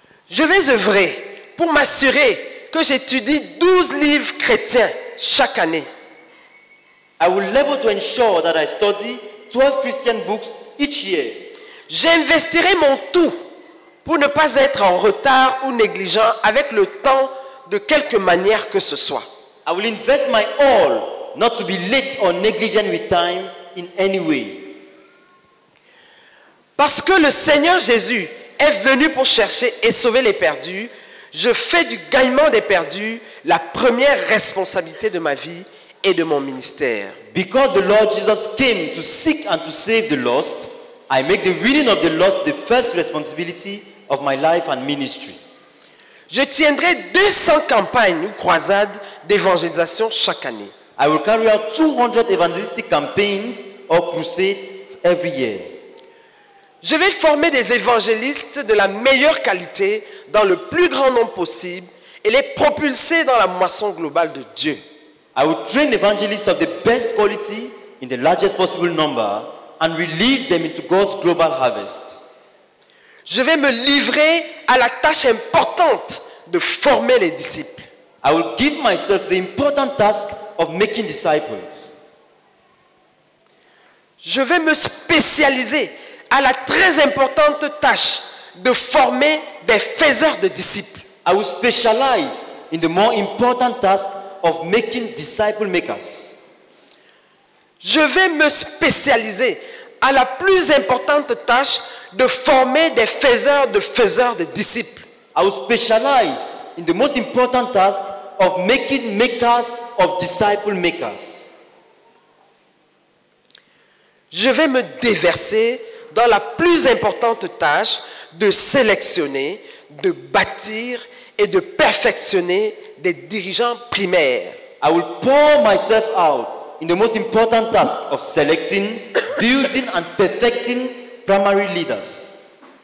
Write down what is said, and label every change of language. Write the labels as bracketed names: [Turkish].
[French] Je vais œuvrer pour m'assurer que j'étudie 12 livres chrétiens chaque année. [English] I will labor to ensure that I study 12 Christian books each year. [French] J'investirai mon tout pour ne pas être en retard ou négligent avec le temps de quelque manière que ce soit. [English] I will invest my all not to be late or negligent with time in any way. [French] Parce que le Seigneur Jésus est venu pour chercher et sauver les perdus, je fais du gagnement des perdus la première responsabilité de ma vie et de mon ministère. [English] Because the Lord Jesus came to seek and to save the lost, I make the winning of the lost the first responsibility of my life and ministry. [French] Je tiendrai 200 campagnes ou croisades d'évangélisation chaque année. [English] I will carry out 200 evangelistic campaigns or crusades every year. [French] Je vais former des évangélistes de la meilleure qualité dans le plus grand nombre possible et les propulser dans la moisson globale de Dieu. [English] I will train evangelists of the best quality in the largest possible number and release them into God's global harvest. [French] Je vais me livrer à la tâche importante de former les disciples. [English] I will give myself the important task of making disciples. [French] Je vais me spécialiser à la très importante tâche de former des faiseurs de disciples. [English] I will specialize in the more important task of making disciple makers. [French] Je vais me spécialiser à la plus importante tâche de former des faiseurs de disciples. [English] I will specialize in the most important task of making makers of disciple makers. [French] Je vais me déverser dans la plus importante tâche de sélectionner, de bâtir et de perfectionner des dirigeants primaires. [English] I will pour myself out in the most important task of selecting, building and perfecting primary leaders.